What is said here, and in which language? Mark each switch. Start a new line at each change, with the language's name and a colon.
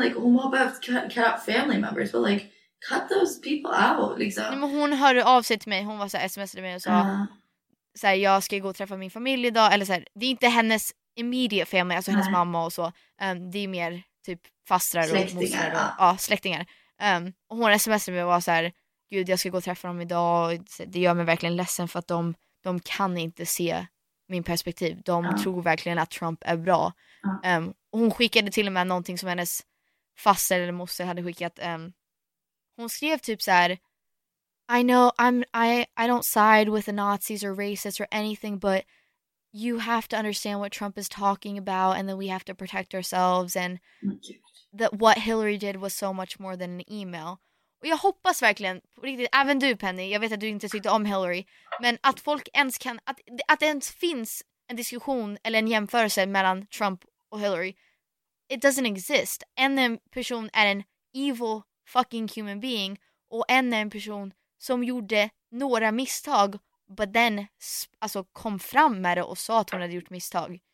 English: Like,
Swedish: hon har behövt
English: cut out family members, but like, cut those people out,
Swedish: liksom. Nej, men hon hörde av sig till mig. Hon var så här, smsade mig och sa, så här, jag ska gå och träffa min familj idag. Eller så här, det är inte hennes
English: immediate family,
Swedish: alltså hennes mamma och så. Det är mer typ fastrar och släktingar. Ja, släktingar. Och hon smsade mig och var så här, gud, jag ska gå och träffa dem idag. Det gör mig verkligen ledsen för att de kan inte se min perspektiv. De tror verkligen att Trump är bra. Och hon skickade till och med någonting som hennes faster eller moster hade skickat. Hon skrev typ så här,
English: I know I don't side with the Nazis or racists or anything, but you have to understand what Trump is talking about, and then we have to protect ourselves, and that what Hillary did was so much more than an email.
Swedish: Och jag hoppas verkligen, riktigt, även du Penny, jag vet att du inte tyckte om Hillary, men att folk ens kan, att det ens finns en diskussion eller en jämförelse mellan Trump och Hillary,
English: it doesn't exist.
Swedish: En person är en
English: evil fucking human being,
Swedish: och en är en person som gjorde några misstag,
English: but then
Swedish: alltså kom fram med det och sa att hon hade gjort misstag.